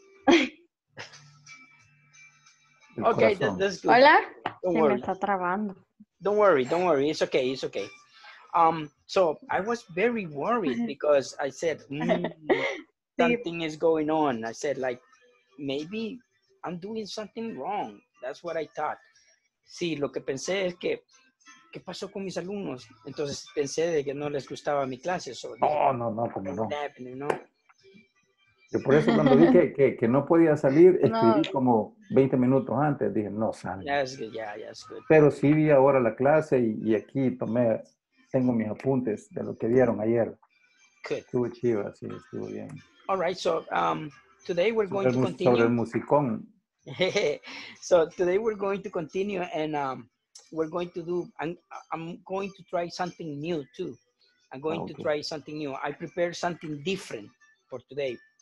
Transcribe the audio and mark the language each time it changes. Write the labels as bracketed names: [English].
[English] Okay, that's good. [Spanish] Hola. [English] Don't worry. [Spanish] Se me está trabando. [English] Don't worry. It's okay. So I was very worried because I said something is going on. I said, like, maybe I'm doing something wrong. That's what I thought. [Spanish] Sí, lo que pensé es que, ¿qué pasó con mis alumnos? Entonces pensé de que no les gustaba mi clase. [English] So, [Spanish] no, como no. [English] Happened, [Spanish] ¿no? Yo por eso cuando vi que no podía salir, escribí como 20 minutos antes. Dije, no salgo. [English] That's good. [Spanish] Pero sí vi ahora la clase y aquí tomé... Tengo mis apuntes de lo que vieron ayer. [English] Good. [Spanish] Estuvo chiva, sí, estuvo bien. [English] All right, so today we're going to continue. [Spanish] Sobre el musicón. [English] So today we're going to continue and we're going to do, I'm going to try something new too. I prepared something different for today.